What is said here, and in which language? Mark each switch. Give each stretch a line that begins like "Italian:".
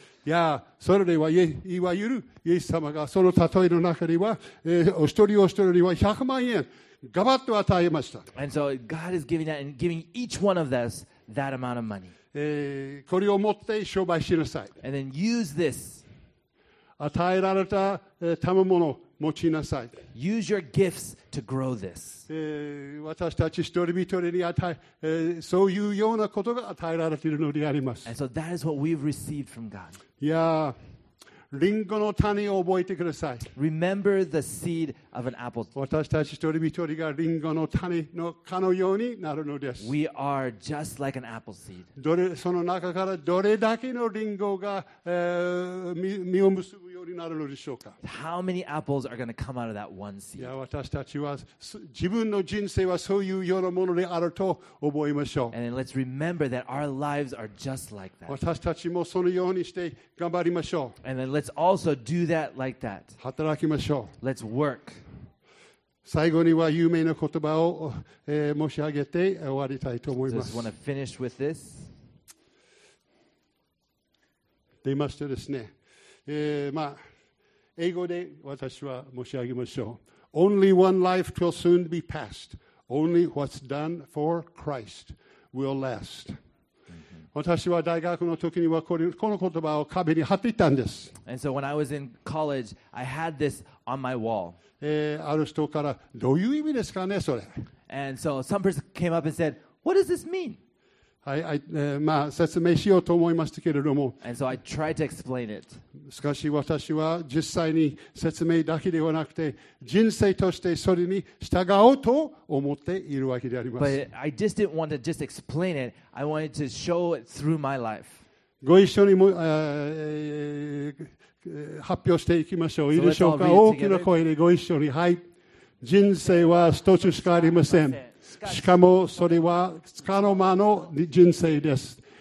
Japanese: やそれではいわゆるイエス様がその例えの中には、お一人お一人には100万円ガバッと与えました。
English: And so God is giving that and giving each one of us that amount of money.
Japanese: これを持って商売しなさい。
English: And then use this.
Japanese: 与えられた、賜物を持ちなさい。
English: Use your gifts to grow this.
Japanese: 私たち一人一人に与え、そういうようなことが与えられているのであります。
English: And so that is what we've received from God.
Japanese: いやリンゴの種を覚えてください。
English: Remember the seed of an apple.
Japanese: 私たち一人一人がリンゴの種のかのようになるのです。
English: We are just like an apple seed.
Japanese: その中からどれだけのリンゴが、実を結ぶようになるのでしょうか。
English: How many apples are going to come out of that one seed?
Japanese: いや私たちは自分の人生はそういうようなものであると覚えましょう。
English: And then let's remember that our lives are just like that.
Japanese: 私たちもそのようにして頑張りましょう。
English: And then let's also do that like that.
Japanese: 働きましょう。
English: Let's work.
Japanese: 最後には有名な言葉を、申し上げて終わりたいと思います。
English: So I just want to finish with this.
Japanese: 出ましてですね、まあ、英語で私は申し上げましょう。
English: Only one life will soon be passed. Only what's done for Christ will last.
Japanese: 私は大学の時にはこの言葉を壁に貼っていたんです。
English: And so when I was in college, I had this on my wall.
Japanese: ある人からどういう意味ですかねそれ。
English: And so some person came up and said, "What does this mean?"
Japanese: まあ説明しようと思いましたけれども。
English: And so I tried to explain it.
Japanese: しかし私は実際に説明だけではなくて人生としてそれに従おうと思っているわけであります。
English: But I just didn't want to just explain it. I wanted to show it through my life.
Japanese: ご一緒にも、発表していきましょう。いいでしょうか。大きな声でご一緒に。はい。人生は一つしかありません。しかもそれはつかの間の人生です。